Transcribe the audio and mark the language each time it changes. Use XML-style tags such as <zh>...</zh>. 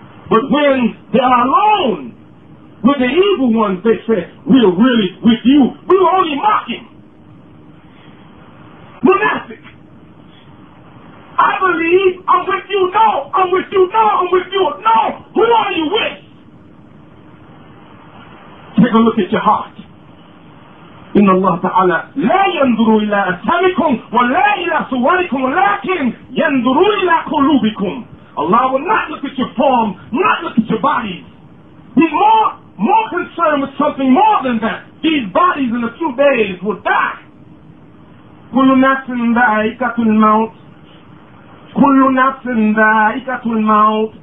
<en>But when they are alone with the evil ones, they say, we are really with you. We were only mocking. Monastic. I believe I'm with you. No, I'm with you. No, I'm with you. No, who are you with? Take a look at your heart.</en> <ar>إن الله تعالى لا ينظر إلى أسماءكم ولا إلى صوركم ولكن ينظر إلى قلوبكم.</ar> <en>Allah will not look at your form, not look at your body. He's more concerned with something more than that. These bodies in a few days will die.</en> <ar>كل نفس ذائقة الموت. كل نفس ذائقة الموت.</ar>